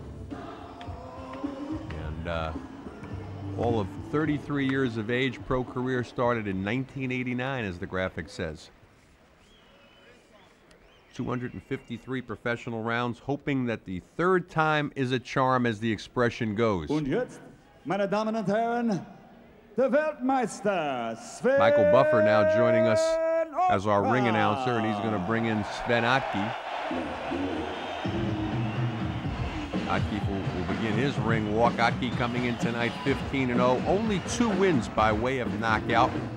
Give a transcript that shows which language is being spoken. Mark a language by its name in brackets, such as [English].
[English] And all of 33 years of age, pro career started in 1989, as the graphic says. 253 professional rounds, hoping that the third time is a charm, as the expression goes. [German] Und jetzt, meine Damen und Herren, der Weltmeister, Sven. [English] Michael Buffer now joining us as our ring announcer, and he's going to bring in Sven Ottke. Ottke will begin his ring walk. Ottke coming in tonight 15-0, only two wins by way of knockout.